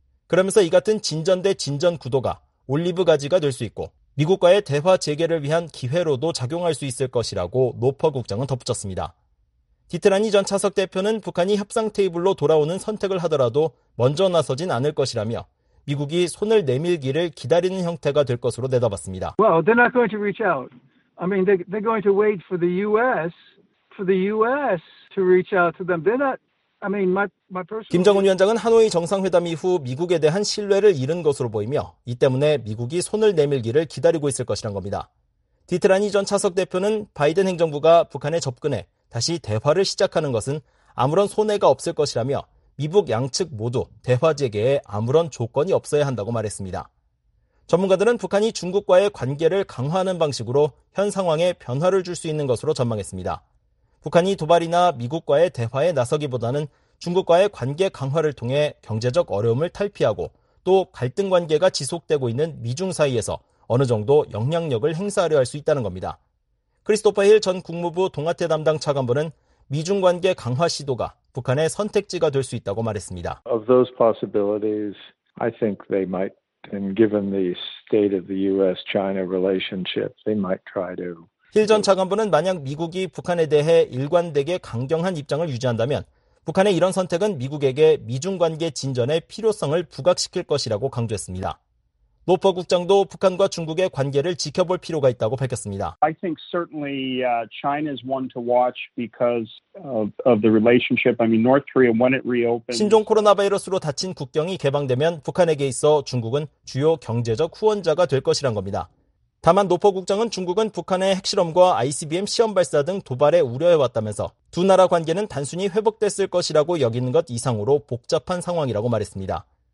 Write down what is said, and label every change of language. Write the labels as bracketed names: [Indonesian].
[Korean] 그러면서 이 같은 진전 대 진전 구도가 올리브 가지가 될 수 있고 미국과의 대화 재개를 위한 기회로도 작용할 수 있을 것이라고 노퍼 국장은 덧붙였습니다. 디트라니 전 차석 대표는 북한이 협상 테이블로 돌아오는 선택을 하더라도 먼저 나서진 않을 것이라며 미국이 손을 내밀기를 기다리는 형태가 될 것으로 내다봤습니다. [English] Well, they're not going to reach out. I mean, they're going to wait for the U.S. to reach out to them. They're not. [Korean] 김정은 위원장은 하노이 정상회담 이후 미국에 대한 신뢰를 잃은 것으로 보이며 이 때문에 미국이 손을 내밀기를 기다리고 있을 것이란 겁니다. 디트라니 전 차석 대표는 바이든 행정부가 북한에 접근해 다시 대화를 시작하는 것은 아무런 손해가 없을 것이라며 미북 양측 모두 대화 재개에 아무런 조건이 없어야 한다고 말했습니다. 전문가들은 북한이 중국과의 관계를 강화하는 방식으로 현 상황에 변화를 줄 수 있는 것으로 전망했습니다. 북한이 도발이나 미국과의 대화에 나서기보다는 중국과의 관계 강화를 통해 경제적 어려움을 탈피하고 또 갈등 관계가 지속되고 있는 미중 사이에서 어느 정도 영향력을 행사하려 할 수 있다는 겁니다. 크리스토퍼 힐 전 국무부 동아태 담당 차관보는 미중 관계 강화 시도가 북한의 선택지가 될 수 있다고 말했습니다. [English] Of those possibilities, I think they might, and given the state of the U.S.-China relationship, they might try to. [Korean] 힐 전 차관보는 만약 미국이 북한에 대해 일관되게 강경한 입장을 유지한다면 북한의 이런 선택은 미국에게 미중 관계 진전의 필요성을 부각시킬 것이라고 강조했습니다. 노퍼 국장도 북한과 중국의 관계를 지켜볼 필요가 있다고 밝혔습니다. [English] I think certainly China is one to watch because of the relationship. I mean North Korea when it reopens. [Korean] 신종 코로나 바이러스로 닫힌 국경이 개방되면 북한에게 있어 중국은 주요 경제적 후원자가 될 것이란 겁니다. 다만 노퍼 국장은 중국은 북한의 핵실험과 ICBM 시험 발사 등 도발에 우려해왔다면서 두 나라 관계는 단순히 회복됐을 것이라고 여기는 것 이상으로 복잡한 상황이라고 말했습니다.